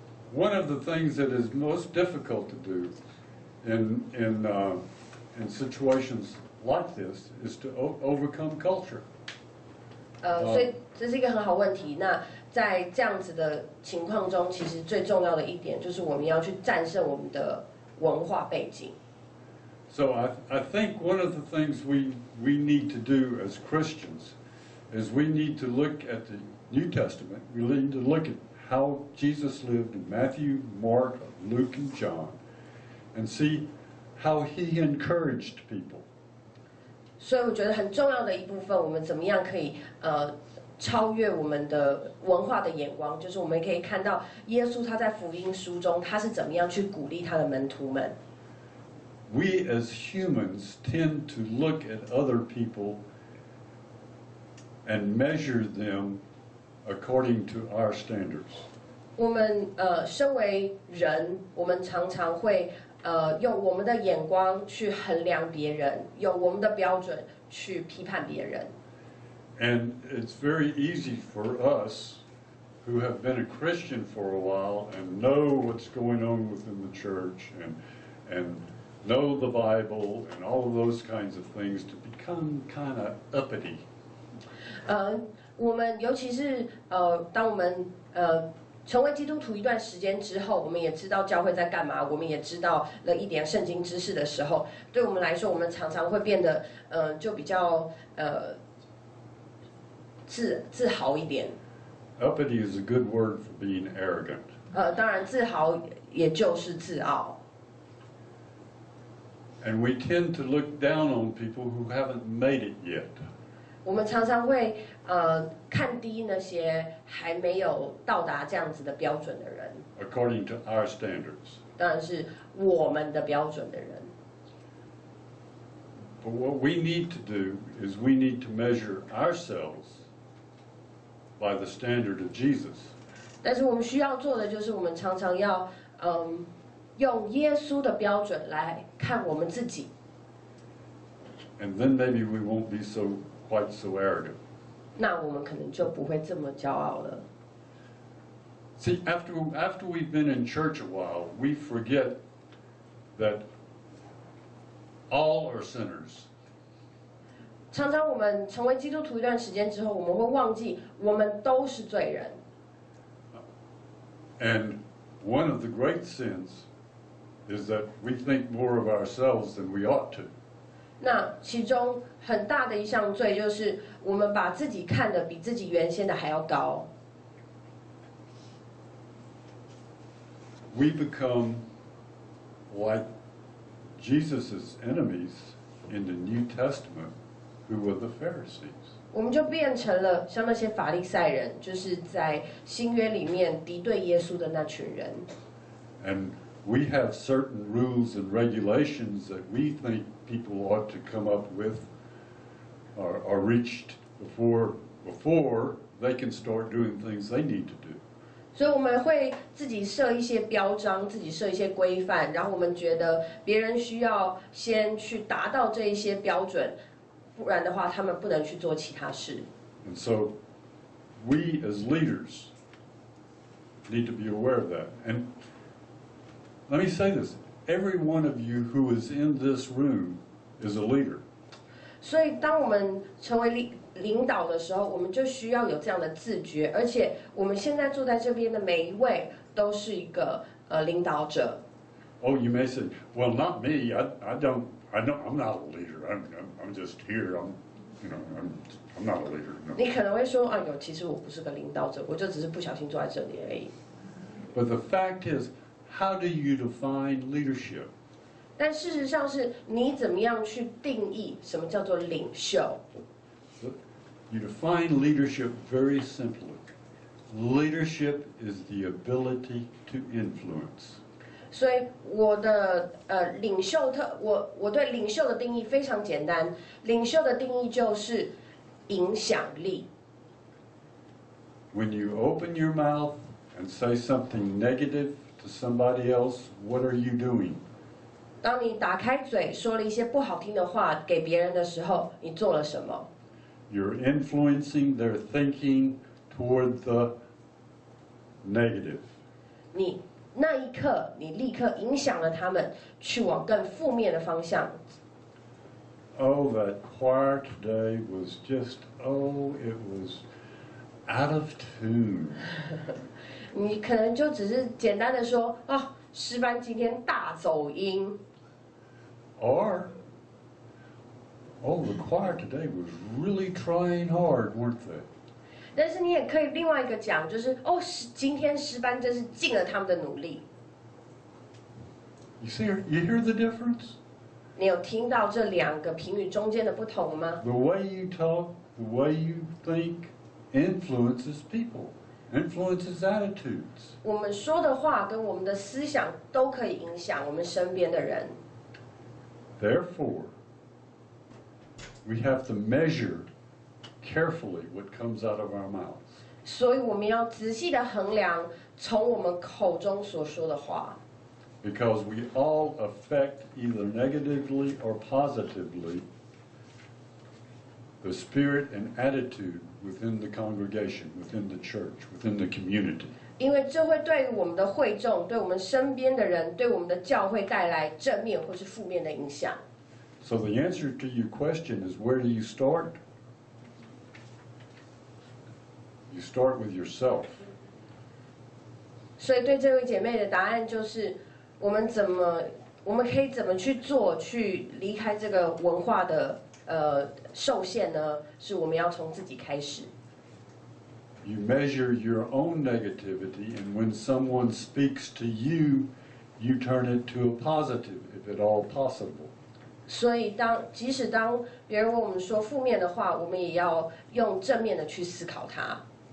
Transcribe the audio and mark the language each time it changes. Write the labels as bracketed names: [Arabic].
[English] One of the things that is most difficult to do in situations like this is to overcome culture. [Chinese] 所以这是一个很好问题。那在这样子的情况中，其实最重要的一点就是我们要去战胜我们的文化背景。 [English] So I think one of the things we need to do as Christians is we need to look at the New Testament. We need to look at how Jesus lived in Matthew, Mark, Luke, and John, and see how he encouraged people. [Chinese] 所以我觉得很重要的一部分，我们怎么样可以超越我们的文化的眼光，就是我们可以看到耶稣他在福音书中他是怎么样去鼓励他的门徒们。 [English] We as humans tend to look at other people and measure them according to our standards. [Chinese] 我们身为人，我们常常会用我们的眼光去衡量别人，用我们的标准去批判别人。 [English] And it's very easy for us who have been a Christian for a while and know what's going on within the church and know the Bible and all of those kinds of things to become kind of uppity. [Chinese] 我们尤其是当我们成为基督徒一段时间之后，我们也知道教会在干嘛，我们也知道了一点圣经知识的时候，对我们来说，我们常常会变得就比较自豪一点。 [English] Uppity is a good word for being arrogant. [Chinese] 当然自豪也就是自傲。 [English] And we tend to look down on people who haven't made it yet. [Chinese] 我们常常会看低那些还没有到达这样子的标准的人。 [English] According to our standards. [Chinese] 当然是我们的标准的人。 [English] But what we need to do is we need to measure ourselves. By the standard of Jesus. [Chinese] 但是我们需要做的就是，我们常常要用耶稣的标准来看我们自己。 [English] And then maybe we won't be so quite so arrogant. [Chinese] 那我们可能就不会这么骄傲了。 [English] See, after we've been in church a while, we forget that all are sinners. [Chinese] 常常我们成为基督徒一段时间之后，我们会忘记我们都是罪人。 [English] And one of the great sins is that we think more of ourselves than we ought to. [Chinese] 那其中很大的一项罪就是我们把自己看得比自己原先的还要高。 [English] We become like Jesus' enemies in the New Testament. Who were the Pharisees? [Chinese] 我们就变成了像那些法利赛人，就是在新约里面敌对耶稣的那群人。 [English] And we have certain rules and regulations that we think people ought to come up with, or reached before they can start doing things they need to do. [Chinese] 所以我们会自己设一些标章，自己设一些规范，然后我们觉得别人需要先去达到这一些标准。不然的话，他们不能去做其他事。 [English] And so, we as leaders need to be aware of that. And let me say this: every one of you who is in this room is a leader. [Chinese] 所以，当我们成为领导的时候，我们就需要有这样的自觉。而且，我们现在坐在这边的每一位都是一个领导者。 [English] Oh, you may say, well, not me. I'm not a leader. I'm just here. I'm not a leader. No. [Chinese] 你可能会说啊，有，其实我不是个领导者，我就只是不小心坐在这里而已。 [English] But the fact is, how do you define leadership? [Chinese] 但事实上是你怎么样去定义什么叫做领袖？ [English] You define leadership very simply. Leadership is the ability to influence. [Chinese] 所以我的领袖特我对领袖的定义非常简单。领袖的定义就是影响力。 [English] When you open your mouth and say something negative to somebody else, what are you doing? [Chinese] 当你打开嘴说了一些不好听的话给别人的时候，你做了什么？ [English] You're influencing their thinking toward the negative. [Chinese] 你那一刻，你立刻影响了他们，去往更负面的方向。 [English] Oh, that choir today was just, oh, it was out of tune. [Chinese] 你可能就只是简单的说，哦，诗班今天大走音。 [English] Or. Oh, the choir today was really trying hard, weren't they? [Chinese] 但是你也可以另外一个讲，就是哦，今天诗班真是尽了他们的努力。 [English] You see, you hear the difference? [Chinese] 你有听到这两个评语中间的不同吗？ [English] The way you talk, the way you think, influences people, influences attitudes. [Chinese] 我们说的话跟我们的思想都可以影响我们身边的人。 [English] Therefore. We have to measure carefully what comes out of our mouths. [Chinese] 所以我们要仔细地衡量从我们口中所说的话。 [English] Because we all affect either negatively or positively the spirit and attitude within the congregation, within the church, within the community. [Chinese] 因为这会对我们的会众、对我们身边的人、对我们的教会带来正面或是负面的影响。 [English] So the answer to your question is, where do you start? You start with yourself. [Chinese] 所以对这位姐妹的答案就是，我们可以怎么去做，去离开这个文化的受限呢？是我们要从自己开始。 [English] You measure your own negativity, and when someone speaks to you, you turn it to a positive, if at all possible. [Chinese] 所以当即使当别人问我们说负面的话，我们也要用正面的去思考它。